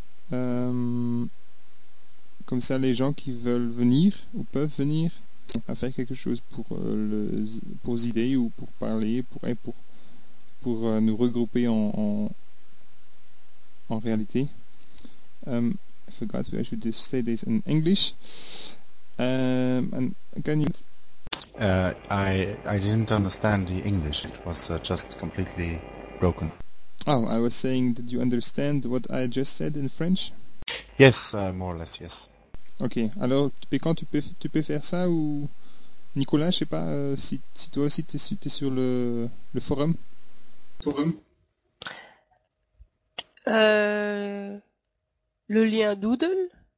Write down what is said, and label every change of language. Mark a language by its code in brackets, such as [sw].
[fr] Comme ça, les gens qui veulent venir ou peuvent venir à faire quelque chose pour Zidei ou pour parler, pour nous regrouper en réalité. [en] I forgot I should just say this in English. And can you? I didn't understand the English. It was just completely broken. Oh, I was saying, did you understand what I just said in French? Yes, more or less, yes. [fr] Ok, alors Pécan, tu peux faire ça ou Nicolas, je sais pas si toi aussi t'es sur le forum. Forum. Le lien Doodle.